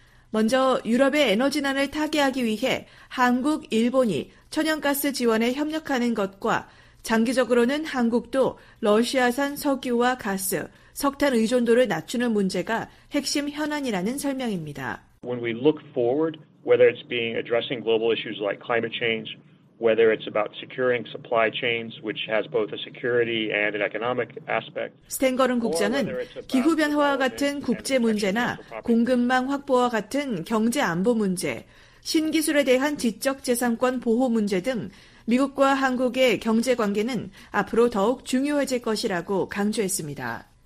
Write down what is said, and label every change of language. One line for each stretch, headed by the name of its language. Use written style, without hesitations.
Korean: 먼저 유럽의 에너지난을 타개하기 위해 한국, 일본이 천연가스 지원에 협력하는 것과 장기적으로는 한국도 러시아산 석유와 가스, 석탄 의존도를 낮추는 문제가 핵심 현안이라는 설명입니다.
English: When we look forward, whether it's being addressing global issues like climate change whether it's about securing supply chains, which has both a security and an economic aspect.
Korean: 스탠거른 국장은 기후 변화와 같은 국제 문제나 공급망 확보와 같은 경제 안보 문제, 신기술에 대한 지적 재산권 보호 문제 등 미국과 한국의 경제 관계는 앞으로 더욱 중요해질 것이라고 강조했습니다.